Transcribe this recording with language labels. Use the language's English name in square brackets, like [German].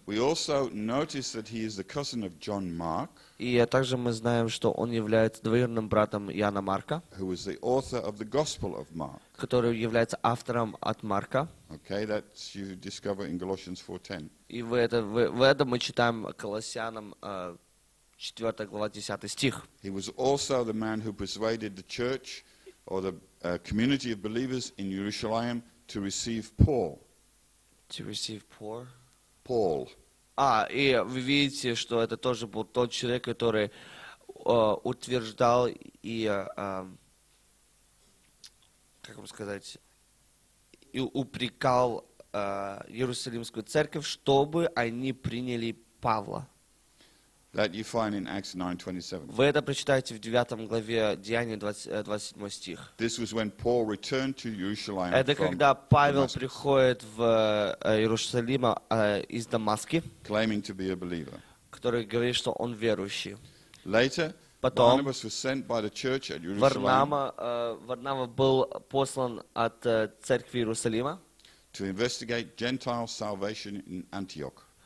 [English] We also notice that he is the cousin of John Mark, [Russian] и также мы знаем, что он является двоюродным братом Иоанна Марка, [English] who is the author of the Gospel of Mark, [Russian] который является автором от Марка. [English] Okay, that you discover in Galatians 4:10. [Russian] И в этом мы читаем Колоссянам 4 глава 10 стих. [English] He was also the man who persuaded the church or the community of believers in Jerusalem to receive Paul. To receive Paul. Paul. [Russian] И вы видите, что это тоже был тот человек, который утверждал и, как вам сказать, и упрекал Иерусалимскую церковь, чтобы они приняли Павла. [English] That you find in Acts 9:27. [Russian] Вы это прочитаете в 9 главе Деяния, 27 стих. [English] This was when Paul returned to Jerusalem. [Russian] Это когда Павел приходит в Иерусалим из Дамаска, [English] claiming to be a believer. [Russian] Который говорит, что он верующий. [English] Later, Barnabas was sent by the church at Jerusalem. [Russian] Варнава был послан от церкви Иерусалима [English] to investigate Gentile salvation in Antioch.